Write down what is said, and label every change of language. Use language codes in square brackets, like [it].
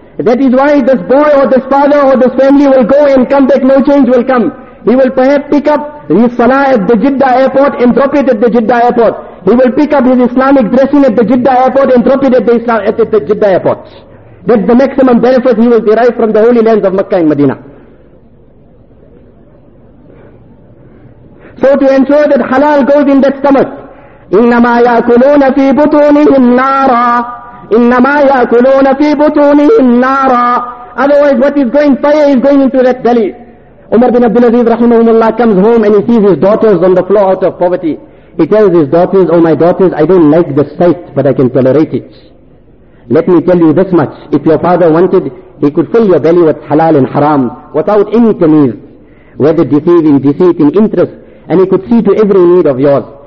[en] That is why this boy or this father or this family will go and come back, no change will come. He will perhaps pick up his salah at the Jeddah airport and drop it at the Jeddah airport. He will pick up his Islamic dressing at the Jeddah airport and drop it at the Jeddah airport. That's the maximum benefit he will derive from the holy lands of Makkah and Medina. So to ensure that halal goes in that stomach, [ar] إِنَّمَا يَأْكُلُونَ فِي بُطُونِهِمْ نَارًا إِنَّمَا يَأْكُلُونَ فِي بُطُونِهِمْ نَارًا. [en] Otherwise what is going, fire is going into that belly. Umar bin Abdul Aziz rahimahumullah comes home and he sees his daughters on the floor out of poverty. He tells his daughters, oh my daughters, I don't like the sight, but I can tolerate it. Let me tell you this much, if your father wanted, he could fill your belly with halal and haram without any tamiz, whether deceiving, deceit in interest, and he could see to every need of yours.